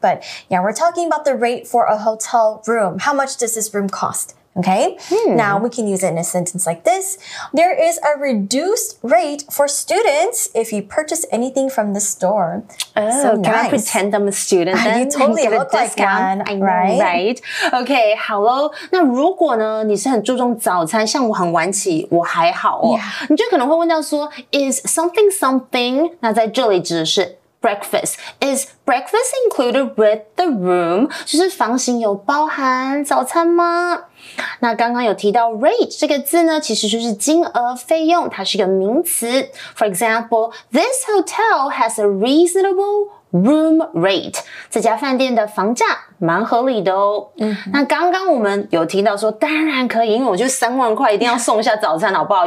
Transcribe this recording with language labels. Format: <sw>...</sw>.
<en>But yeah, we're talking about the rate for a hotel room. How much does this room cost? Okay, now we can use it in a sentence like this. There is a reduced rate for students if you purchase anything from the store. Oh, so can nice. I pretend I'm a student then? You totally look like one, right? Right. Okay,</en> <zh>好咯。那如果呢，你是很注重早餐，像我很晚起，我还好哦。</zh> <en>Yeah.</en> <zh>你就可能会问到说</zh> <en>is something something?</en> <zh>那在这里指的是Breakfast.</zh> <en>Is breakfast included with the room?</en> <zh>就是房型有包含早餐吗？那刚刚有提到 rate 这个字呢，其实就是金额费用，它是一个名词。</zh> <en>For example, this hotel has a reasonable room rate.</en> <zh>这家饭店的房价蛮合理的哦。那刚刚我们有提到说，当然可以，因为我就3万块，一定要送一下早餐，好不好？</zh>